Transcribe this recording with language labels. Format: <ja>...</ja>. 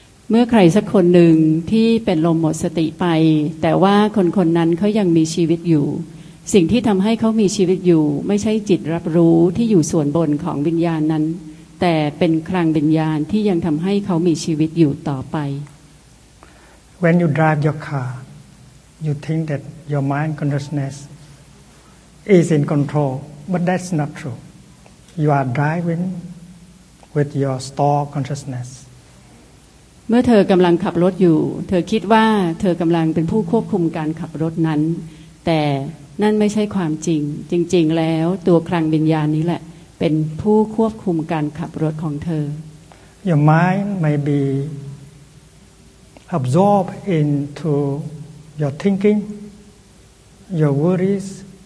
<th>เมื่อใครสักคนหนึ่งที่เป็นลมหมดสติไปแต่ว่าคนคนนั้นเขายังมีชีวิตอยู่สิ่งที่ทำให้เขามีชีวิตอยู่ไม่ใช่จิตรับรู้ที่อยู่ส่วนบนของวิญญาณนั้นแต่เป็นคลังวิญญาณที่ยังทำให้เขามีชีวิตอยู่ต่อไป</th> <en>When you drive your car you think that your mind consciousness is in control but that's not true you are driving with your store consciousness</en> <th>เมื่อเธอกำลังขับรถอยู่เธอคิดว่าเธอกำลังเป็นผู้ควบคุมการขับรถนั้นแต่นั่นไม่ใช่ความจริงจริงๆแล้วตัวคลังวิญญาณนี้แหละเป็นผู้ควบคุมการขับรถของเธอ</th> <en>Your mind may be absorbed into your thinking, your worries.</en>